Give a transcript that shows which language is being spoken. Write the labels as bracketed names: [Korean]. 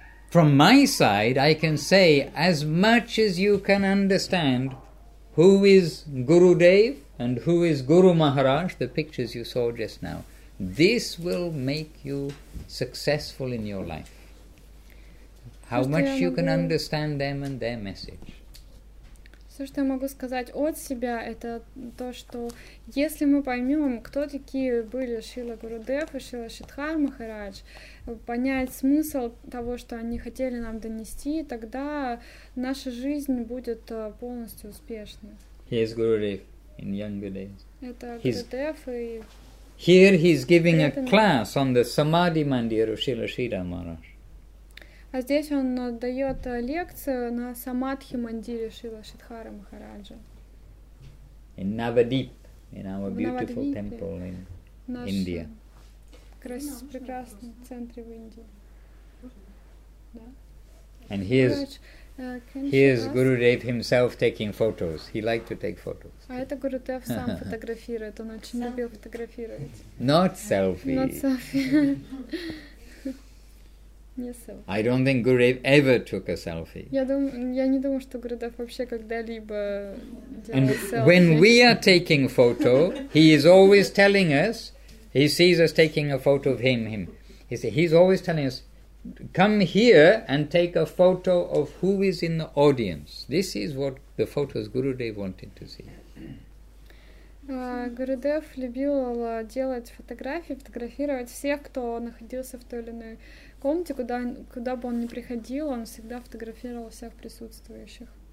[English] From my side, I can say as much as you can understand who is Gurudev and who is Guru Maharaj, the pictures you saw just now. This will make you successful in your life. How much you can understand them and their message. [Russian] Все, что я могу сказать от себя, это то, что если мы поймем, кто такие были Шрила Гурудев и Шрила Шридхар Махарадж, понять смысл того, что они хотели нам донести, тогда наша жизнь будет полностью успешной. [English] Here's Gurudev in younger days. [Russian] Это Гурудев и... [English] Here he's giving a class on the Samadhi Mandir of Шрила Шридхар Махарадж. [Russian] А здесь он дает лекцию на Самадхи Мандире Шрила Шридхара Махараджа. [English] In Navadip, in our beautiful temple in India. [Russian] Прекрасный центр в Индии. [English] And here's Gurudev himself taking photos. He liked to take photos. [Russian] А это Гурудев сам фотографирует. Он очень любил фотографировать. [English] Not selfie. Not selfie. I don't think Gurudev ever took a selfie. [Russian] Я не думаю, что Гурудев вообще когда-либо делал селфи. [English] And when we are taking photo, he is always telling us, he sees us taking a photo of him. He's always telling us, come here and take a photo of who is in the audience. This is what the photos Gurudev wanted to see. [Russian] Гурудев любил делать фотографии, фотографировать всех, кто находился в той или иной комнате, куда бы он ни приходил, он всегда фотографировал всех присутствующих.